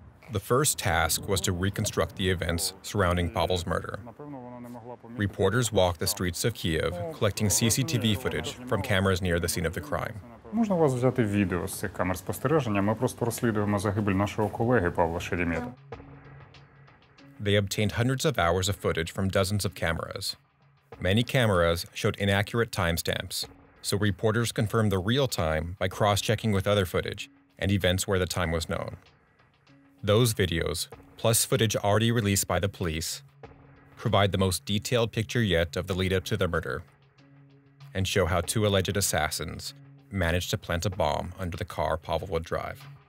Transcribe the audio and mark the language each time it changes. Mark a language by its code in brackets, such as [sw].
[en] The first task was to reconstruct the events surrounding Pavel's murder. Reporters walked the streets of Kyiv, collecting CCTV footage from cameras near the scene of the crime. [uk] Можна у вас взяти відео з цих камер спостереження? Ми просто розслідуємо загибель нашого колеги Павла Шеремета. [en] They obtained hundreds of hours of footage from dozens of cameras. Many cameras showed inaccurate timestamps, so reporters confirmed the real time by cross-checking with other footage and events where the time was known. Those videos, plus footage already released by the police, provide the most detailed picture yet of the lead-up to the murder and show how two alleged assassins managed to plant a bomb under the car Pavel would drive.